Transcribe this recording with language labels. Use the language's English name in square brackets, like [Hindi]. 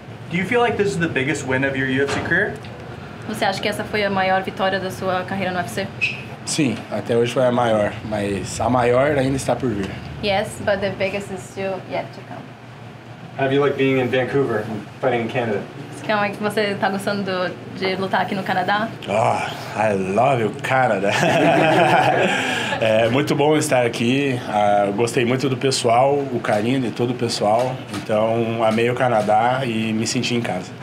[English] Do you feel like this is the biggest win of your UFC career? [Portuguese] Você acha que essa foi a maior vitória da sua carreira no UFC? Sim, até hoje foi a maior, mas a maior ainda está por vir. [English] Yes, but the biggest is still yet to come. How do you like being in Vancouver, fighting in Canada? [Portuguese] Como é que você está gostando de lutar aqui no Canadá? [English] Oh, I love you, Canada! [Portuguese] É muito bom estar aqui, gostei muito do pessoal, o carinho de todo o pessoal, então amei o Canadá e me senti em casa.